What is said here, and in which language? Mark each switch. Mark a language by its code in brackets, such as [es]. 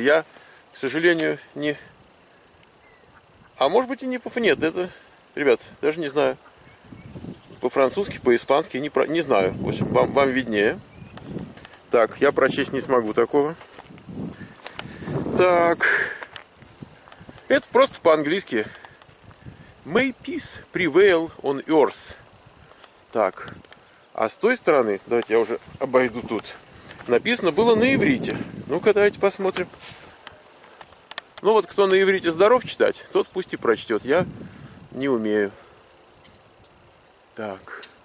[ru] Я, к сожалению, не... А может быть и не по... Нет, это... Ребят, даже не знаю. По-французски, по-испански, не знаю. В общем, вам виднее. Так, я прочесть не смогу такого. Так. Это просто по-английски. [en] May peace prevail on earth. [ru] Так. А с той стороны, давайте я уже обойду тут, написано было на иврите. Ну-ка, давайте посмотрим. Ну вот, кто на иврите здоров читать, тот пусть и прочтет. Я не умею. Так.